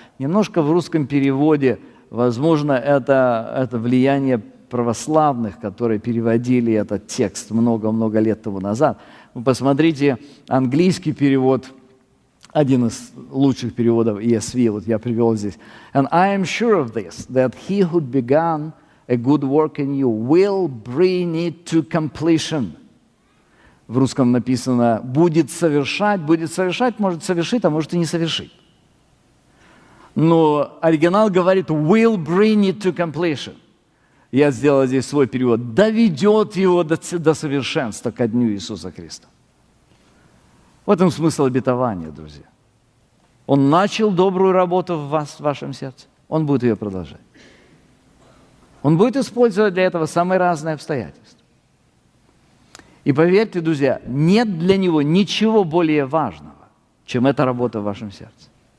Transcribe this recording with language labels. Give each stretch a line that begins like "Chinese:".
Russian: Немножко в русском переводе, возможно, это влияние православных, которые переводили этот текст много-много лет тому назад. Вы посмотрите английский перевод, один из лучших переводов ESV, вот я привел здесь.
English: «And I am sure of this, that he who began a good work in you will bring it to completion».
Russian: В русском написано будет совершать, может совершить, а может и не совершить. Но оригинал говорит
English: will bring it to completion.
Russian: Я сделал здесь свой перевод. Доведет его до совершенства, ко дню Иисуса Христа. В этом смысл обетования, друзья. Он начал добрую работу в вас, в вашем сердце. Он будет ее продолжать. Он будет использовать для этого самые разные обстоятельства. И поверьте, друзья, нет для него ничего более важного, чем эта работа в вашем сердце.